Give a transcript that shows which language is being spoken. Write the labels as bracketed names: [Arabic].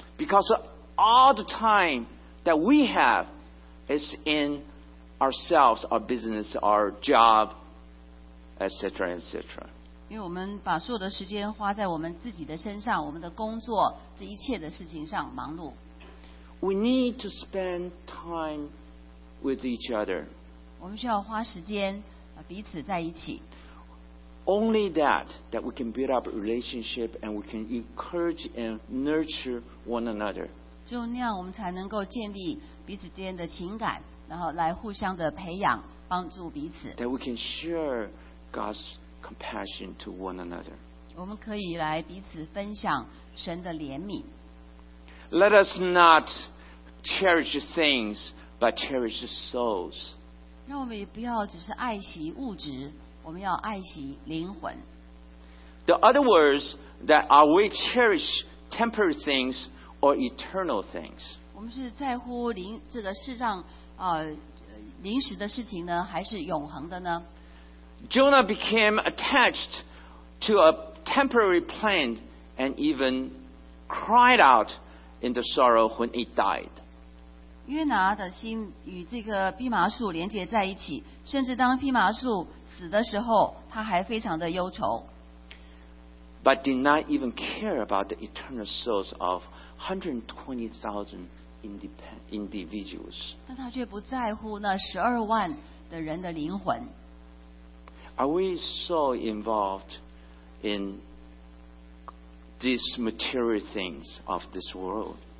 [English] Because all the time that we have is in ourselves, our business, our job, etc., etc. [Chinese] 因为我们把所有的时间花在我们自己的身上，我们的工作这一切的事情上忙碌。 [English] We need to spend time with each other. [Chinese] 我们需要花时间彼此在一起。 [English] Only that we can build up a relationship and we can encourage and nurture one another. [Chinese] 就那样，我们才能够建立彼此之间的情感，然后来互相的培养，帮助彼此。 [English] That we can share God's compassion to one another. [Chinese] 我们可以来彼此分享神的怜悯。 [English] Let us not cherish things, but cherish souls. [Chinese] 让我们也不要只是爱惜物质。我们要爱惜灵魂。 [English] The other words that are we cherish temporary things or eternal things? [Chinese] 我们是在乎这个世上临时的事情呢，还是永恒的呢 [English] ？Jonah became attached to a temporary plane and even cried out in the sorrow when it died. [Chinese] 约拿的心与这个蓖麻树连接在一起，甚至当蓖麻树死的时候，他还非常的忧愁。 [English] but did not even care about the eternal souls of 120,000 individuals. [Chinese] 但他却不在乎那十二万的人的灵魂。 [English] Are we so involved in these material things of this world?